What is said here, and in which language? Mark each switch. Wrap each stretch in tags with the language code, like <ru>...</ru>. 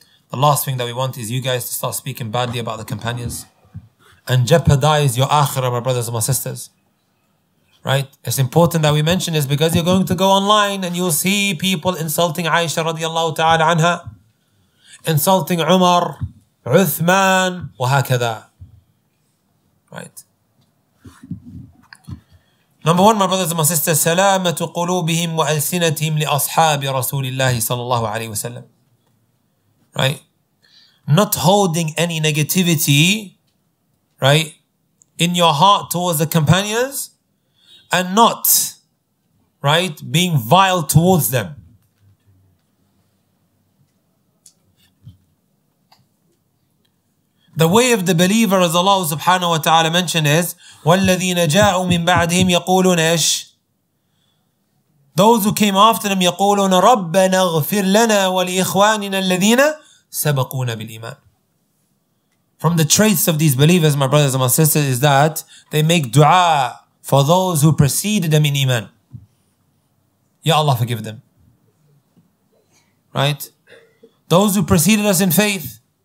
<en>The last thing that we want is you guys to start speaking badly about the companions and jeopardize your akhirah, my brothers and my sisters. Right? It's important that we mention this because you're going to go online and you'll see people insulting Aisha radiallahu ta'ala anha, insulting Umar, Uthman, wahakada. Right?</en> <ar>Number one, my brothers and my sisters, سَلَامَةُ قُلُوبِهِمْ وَأَلْسِنَتِهِمْ لِأَصْحَابِ رَسُولِ اللَّهِ صَلَى اللَّهُ عَلَيْهِ وَسَلَّمْ.</ar> <en>Right? Not holding any negativity, right, in your heart towards the companions, and not, right, being vile towards them. The way of the believer, as Allah subhanahu wa ta'ala mentioned, is</en> <ar>وَالَّذِينَ جَاءُوا مِنْ بَعْدِهِمْ يَقُولُونَ إِشْ.</ar> <en>Those who came after them,</en> <ar>يَقُولُونَ رَبَّنَا اغْفِرْ لَنَا وَلِإِخْوَانِنَا الَّذِينَ سَبَقُونَ بِالْإِمَانِ.</ar> <en>From the traits of these believers, my brothers and my sisters, is that they make dua for those who preceded them in iman. Ya Allah, forgive them. Right? Those who preceded us in faith.</en>